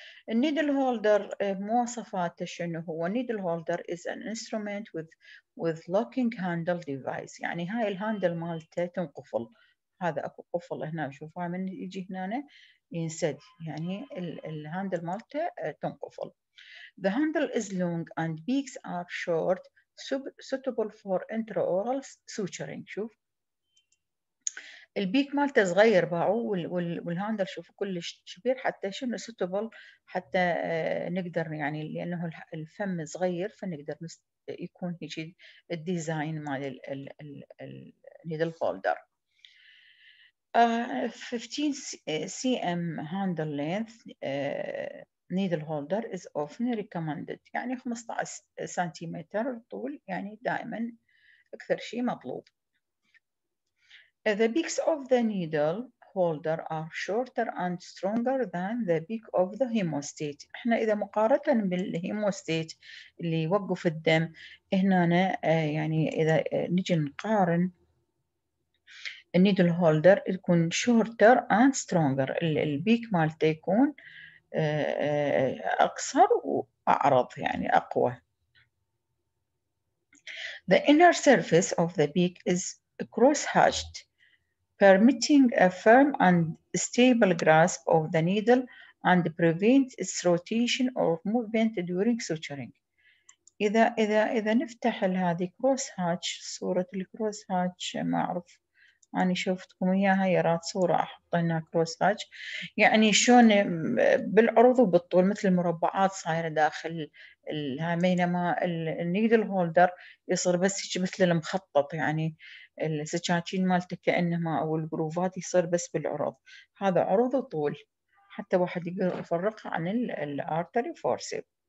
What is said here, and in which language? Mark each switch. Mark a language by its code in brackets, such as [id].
[ar] النيدل هولدر مواصفاته شنو هو؟ نيدل هولدر [en] is an instrument with locking handle device، [ar] يعني هاي الهاندل مالته تنقفل، هذا أكو قفل هنا شوفوها من يجي هنا ينسد، يعني الهاندل مالته تنقفل. [en] The handle is long and beaks are short suitable for intraoral suturing. [ar] شوف البيك مالته صغير باعو، والهاندل شوف كلش كبير حتى شنو suitable، حتى نقدر يعني لأنه الفم صغير فنقدر يكون هيجي الديزاين مال النيدل هولدر. [en] 15 cm handle length needle holder is often recommended، [ar] يعني 15 سنتيمتر طول يعني دائما أكثر شيء مطلوب. [en] The beaks of the needle holder are shorter and stronger than the beak of the hemostat. [ar] إحنا إذا مقارنة بالهيموستات اللي يوقف الدم هنا يعني إذا نجي نقارن النيدل هولدر يكون [en] shorter and stronger, [ar] البيك مالته يكون اقصر واعرض يعني اقوى. [en] The inner surface of the beak is cross hatched permitting a firm and stable grasp of the needle and prevents its rotation or movement during suturing. [ar] اذا نفتح هذه كروس هاتش، صوره الكروس هاتش ما اعرف أنا شوفتكم إياها، يا رات صورة أحطينا كروس هاتش، يعني شلون بالعرض وبالطول مثل المربعات صايرة داخل بينما النيدل هولدر يصير بس هيك مثل المخطط، يعني السكاكين مالته كأنما أو الجروفات يصير بس بالعرض، هذا عرض وطول حتى واحد يقدر يفرقها عن الأرتري فورسيب.